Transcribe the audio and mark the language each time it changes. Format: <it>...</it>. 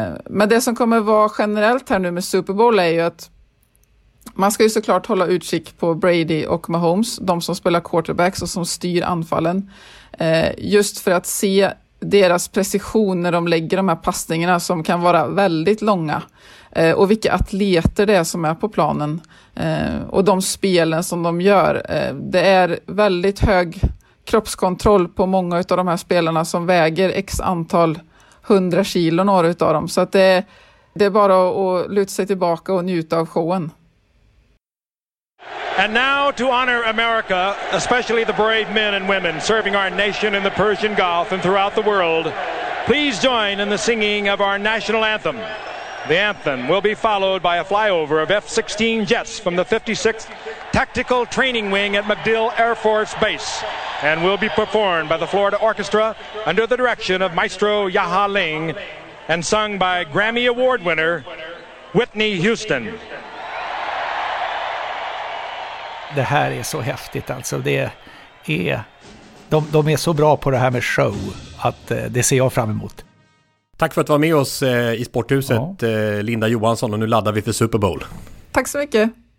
<sv>Men det som kommer vara generellt här nu med Super Bowl är ju att man ska ju såklart hålla utkik på Brady och Mahomes, de som spelar quarterbacks och som styr anfallen, just för att se deras precision när de lägger de här passningarna som kan vara väldigt långa, och vilka atleter det är som är på planen, och de spelen som de gör. Det är väldigt hög kroppskontroll på många av de här spelarna som väger x antal 100 kilo några utav dem. Så att det är bara att luta sig tillbaka och njuta av showen.</sv> <en>And now to honor America, especially the brave men and women serving our nation in the Persian Gulf and throughout the world, please join in the singing of our national anthem. The anthem will be followed by a flyover of F-16 jets from the 56th Tactical Training Wing at MacDill Air Force Base, and will be performed by the Florida Orchestra under the direction of Maestro Yaha Ling and sung by Grammy Award winner Whitney Houston.</en> <sv>Det här är så häftigt alltså. Det är, de är så bra på det här med show att det ser jag fram emot. Tack för att du var med oss i Sporthuset, ja. Linda Johansson, och nu laddar vi för Super Bowl. Tack så mycket.</sv>